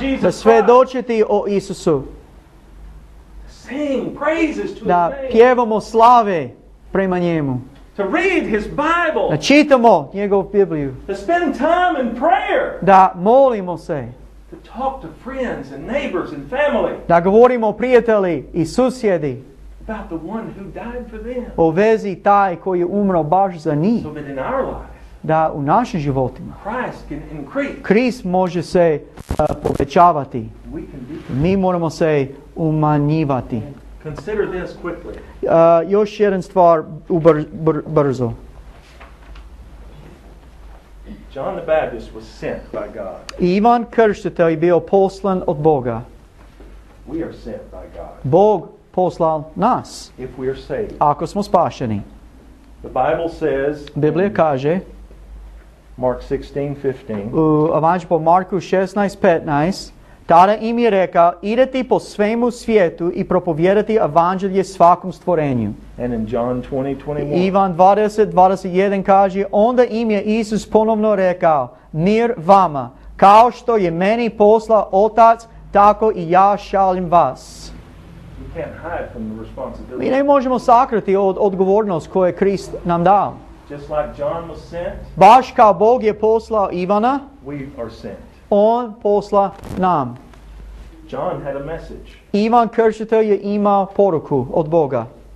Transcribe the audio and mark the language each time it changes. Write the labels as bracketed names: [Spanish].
[Croatian] Christ. Da svedočiti o Isusu. [English] Sing praises to [Croatian] da pjevamo slave prema njemu. [English] To read his Bible. [Croatian] Da čitamo njegovu Bibliju. [English] To spend time in prayer. [Croatian] Da molimo se. [English] To talk to friends and neighbors and family. [Croatian] Da govorimo prijatelji i susjedi. [English] About the one who died for them. [Croatian] O vezi taj koji je umro baš za njih. [English] So that in our lives. [Croatian] da u našim životima [English] Christ can increase. [Croatian] Krist može se povećavati. Mi moramo se umanjivati. [English] Consider this quickly. [Croatian] Još jedan stvar brzo. [English] John the Baptist was sent by God. [Croatian] Ivan Krstitelj je bio poslan od Boga. [English] We are sent by God. [Croatian] Bog poslao nas. [English] If we are saved. [Croatian] Ako smo spašeni. [English] The Bible says, [Croatian] Biblija kaže [English] Mark 16:15. [Croatian] U Evanđelju po Marku 16:15, tada im je rekao, idete po svemu svijetu i propovijedati evanđelje svakom stvorenju. [English] And in John 20:21. [Croatian] Ivan 20:21 kaže, onda im je Isus ponovno rekao, mir vama, kao što je meni poslao Otac, tako i ja šaljem vas. [English] We can't hide from the responsibility. [Croatian] Mi ne možemo sakriti od odgovornost koju je Krist nam dao. [English] Just like John was sent, [Croatian] baš kao Bog je poslao Ivana, [English] we are sent. [Croatian] On posla nam. [English] John had a message. [Croatian] Ivan Krstitelj je imao poruku od Boga.